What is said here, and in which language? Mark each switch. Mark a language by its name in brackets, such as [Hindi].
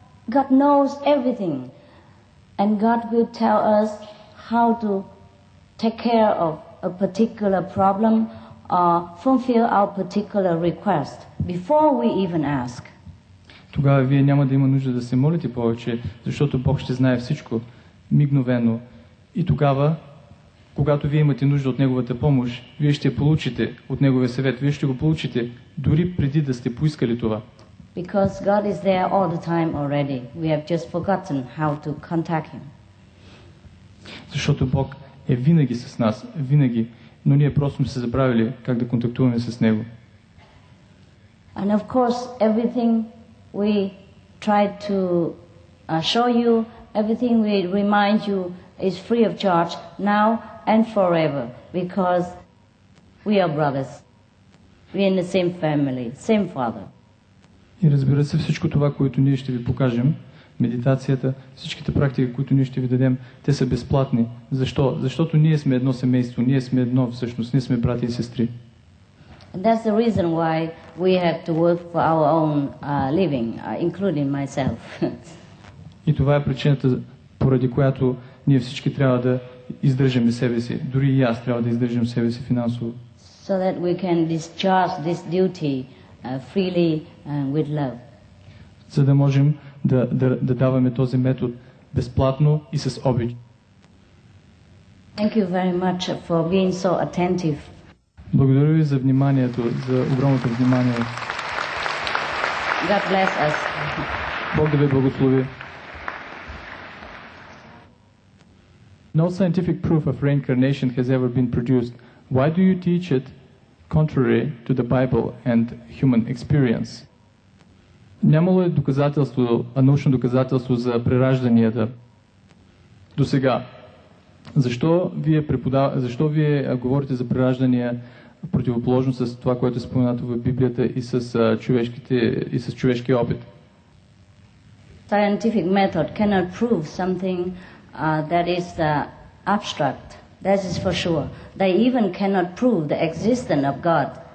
[English] God knows everything. And God will tell us how to take care of a particular problem or fulfill our particular request. Before we even ask. [Bulgarian] Тогава вие няма да има нужда да се молите повече, защото Бог ще знае всичко мигновено. И тогава, когато вие имате нужда от Неговата помощ, вие ще получите от Неговия съвет, вие ще го получите дори преди да сте поискали това. [English] Because God is there all the time already. We have just forgotten how to contact Him. [Bulgarian] Защото Бог е винаги с нас, винаги, но ние просто сме се забравили как да контактуваме с Него. [English] And of course, everything we try to show you, everything we remind you is free of charge now and forever, because we are brothers. We are in the same family, same father. [Bulgarian] И разбира се, всичко това, което ние ще ви покажем, медитацията, всичките практики, които ние ще ви дадем, те са безплатни. Защо? Защото ние сме едно семейство, ние сме едно всъщност, ние сме брати и сестри. [English] And that's the reason why we have to work for our own living, including myself. [Bulgarian] И това е причината, поради която ние всички трябва да издържаме себе си. Дори и аз трябва да издържам себе си финансово. [English] So that we can discharge this duty freely and with love. [Bulgarian] За да можем да даваме този метод безплатно и с обич. [English] Thank you very much for being so attentive. [Bulgarian] Благодаря ви за вниманието, за огромното внимание. [English] God bless us. [Bulgarian] Бог да ви благослови. [English] No scientific proof of reincarnation has ever been produced. Why do you teach it contrary to the Bible and human experience? [Bulgarian] Нямало е доказателство, научно доказателство за преражданията до сега. Защо вие говорите за преражданията в противоположност с това, което е споменато в Библията и с човешкия опит. [English] Scientific method cannot prove something that is abstract. That is for sure. They even cannot prove the existence of God.